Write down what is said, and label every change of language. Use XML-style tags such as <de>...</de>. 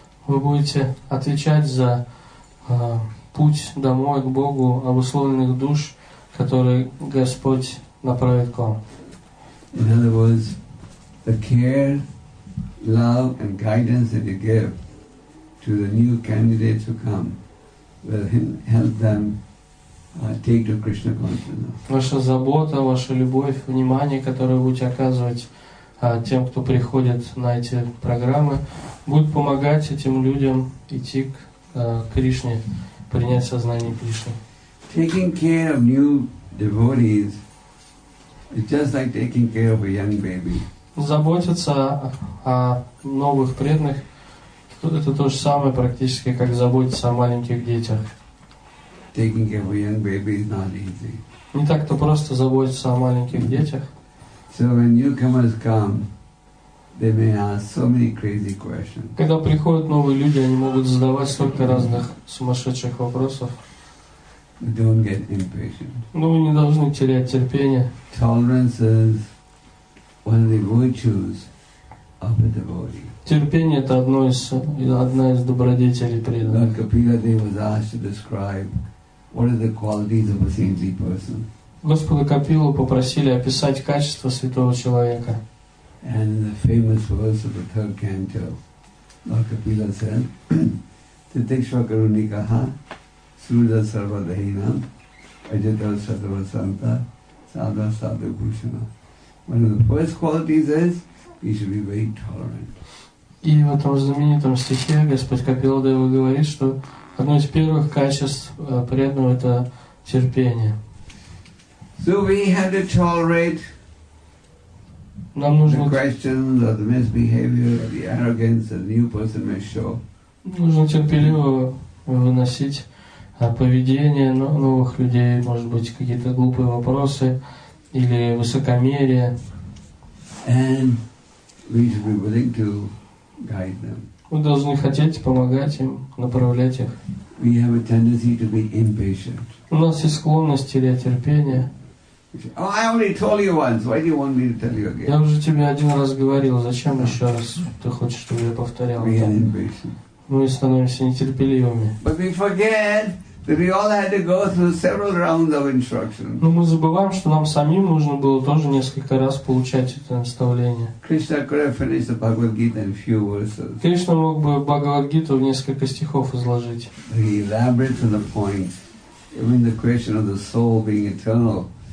<ru>Вы будете отвечать за путь домой к Богу обусловленных душ, которые Господь направит к вам.</ru> <en>In other words, the care, love, and guidance that you give to the new candidates who come will help them take to Krishna consciousness.</en> <ru>Ваша забота, ваша любовь, внимание, которое будете оказывать тем, кто приходит на эти программы, будет помогать этим людям идти к Кришне, принять сознание Кришны.</ru> <en>Taking care of new devotees is just like taking care of a young baby.</en> <ru>Заботиться о новых преданных – это то же самое практически, как заботиться о маленьких детях.</ru> <en>Taking care of a young baby is not easy.</en> <ru>Не так-то просто заботиться о маленьких детях.</ru> <en>So when newcomers come, they may ask so many crazy questions.</en> <ru>Когда приходят новые люди, они могут задавать столько разных сумасшедших вопросов.</ru> <en>Don't get impatient.</en> <ru>Но вы не должны терять терпение.</ru> <en>Tolerance is one of the virtues of a devotee.</en> <ru>Терпение – это одна из добродетелей преданных.</ru> <en>Lord Kapila Dev was asked to describe what are the qualities of a saintly person.</en> <ru>Господа Капилу попросили описать качество святого человека.</ru> <en>And in the famous verse of the third canto, Lord Kapila said, Titikshvakarunikaha, Suda Sarvadhinam, Ajitav Sattvasanta, Sada Sada Bhushana. One of the first qualities is, he should be very tolerant.</en> <ru>И в этом знаменитом стихе Господь Капила Дева говорит, что одно из первых качеств преданного – это терпение.</ru> <en>So we have to tolerate the questions or the misbehavior or the arrogance that a new person may show.</en> <ru>Нужно терпеливо выносить поведение новых людей, может быть, какие-то глупые вопросы или высокомерие.</ru> <en>And we should be willing to guide them.</en> <ru>Мы должны хотеть помогать им, направлять их.</ru> <en>We have a tendency to be impatient.</en> <ru>У нас есть склонность терять терпение.</ru> <en>Oh, I already told you once. Why do you want me to tell you again?</en> <ru>Я уже тебе один раз говорил. Зачем еще раз? Ты хочешь, чтобы я повторял?</ru> <en>We are impatient.</en> <ru>Мы становимся нетерпеливыми.</ru> <en>But we forget that we all had to go through several rounds of instruction.</en> <ru>Но мы забываем, что нам самим нужно было тоже несколько раз получать это наставление.</ru> <en>Krishna could have finished the Bhagavad Gita in a few verses.</en> <ru>Кришна мог бы Бхагавад Гиту в несколько стихов изложить.</ru> <en>He elaborated on the point, even the question of the soul being eternal.</en>